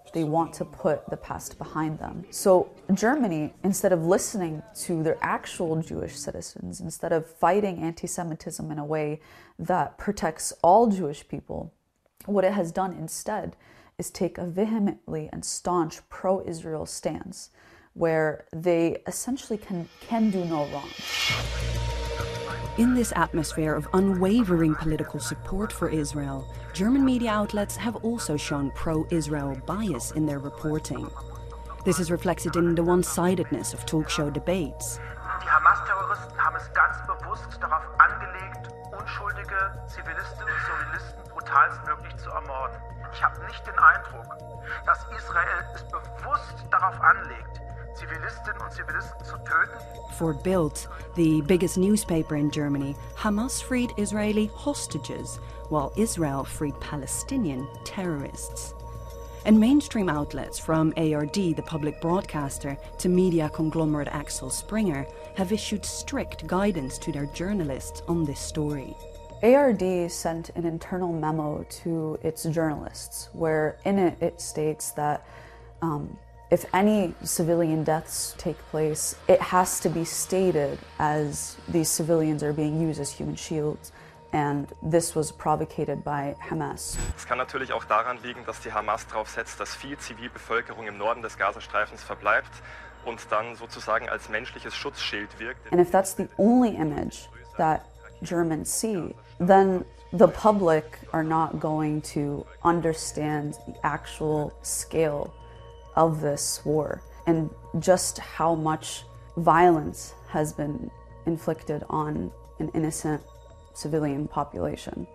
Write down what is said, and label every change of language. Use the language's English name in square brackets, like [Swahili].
[English] They want to put the past behind them. So Germany, instead of listening to their actual Jewish citizens, instead of fighting anti-Semitism in a way that protects all Jewish people, what it has done instead is take a vehemently and staunch pro-Israel stance where they essentially can do no wrong. In this atmosphere of unwavering political support for Israel, German media outlets have also shown pro-Israel bias in their reporting. This is reflected in the one-sidedness of talk show debates. [German] Die Hamas-Terroristen haben es ganz bewusst darauf angelegt, unschuldige Zivilisten und Zivilisten brutalstmöglich zu ermorden. Ich habe nicht den Eindruck, dass Israel es bewusst darauf anlegt, Zivilisten und Zivilisten zu töten. [English] For Bild, the biggest newspaper in Germany, Hamas freed Israeli hostages, while Israel freed Palestinian terrorists. And mainstream outlets, from ARD, the public broadcaster, to media conglomerate Axel Springer, have issued strict guidance to their journalists on this story. ARD sent an internal memo to its journalists, where in it it states that if any civilian deaths take place, it has to be stated as these civilians are being used as human shields, and this was provocated by Hamas. [German] Es kann natürlich auch daran liegen, dass die Hamas darauf setzt, dass viel Zivilbevölkerung im Norden des Gazastreifens verbleibt, uns dann sozusagen als menschliches Schutzschild wirkt. [English] And if that's the only image that Germans see, then the public are not going to understand the actual scale of this war and just how much violence has been inflicted on an innocent civilian population.